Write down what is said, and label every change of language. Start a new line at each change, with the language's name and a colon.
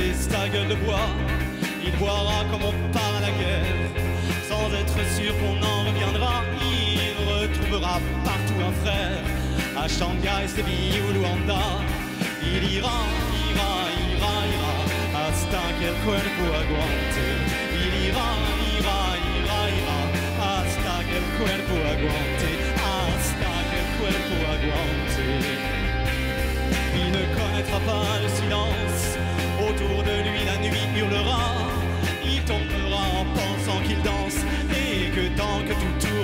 French: Sa gueule de bois, il boira comme on part à la guerre, sans être sûr qu'on en reviendra. Il retrouvera partout un frère, à Shanghai, Séville ou Luanda. Il ira, ira, ira, ira,
Spanish: hasta que el cuerpo aguante.
French: Il ira, ira, ira, ira,
Spanish: hasta que el cuerpo aguante. Hasta que el cuerpo aguante.
French: Il ne connaîtra pas le silence. Autour de lui la nuit hurlera. Il tombera en pensant qu'il danse. Et que tant que tout